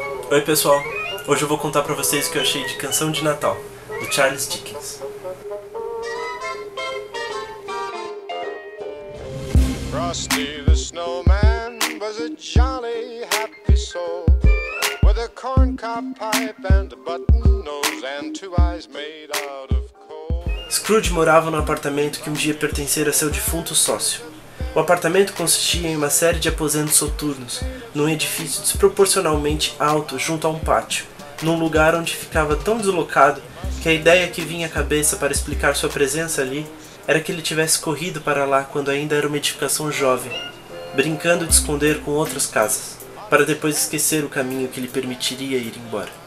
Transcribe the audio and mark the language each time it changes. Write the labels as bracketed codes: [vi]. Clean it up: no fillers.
[pt] Oi pessoal, hoje eu vou contar pra vocês o que eu achei de Canção de Natal, do Charles Dickens. [en] Frosty the Snowman was a jolly happy soul, with a corncob pipe and a button nose and two eyes made out of coal. [pt] Scrooge morava num apartamento que um dia pertencera a seu defunto sócio. O apartamento consistia em uma série de aposentos soturnos, num edifício desproporcionalmente alto junto a um pátio, num lugar onde ficava tão deslocado que a ideia que vinha à cabeça para explicar sua presença ali era que ele tivesse corrido para lá quando ainda era uma edificação jovem, brincando de esconder com outras casas, para depois esquecer o caminho que lhe permitiria ir embora.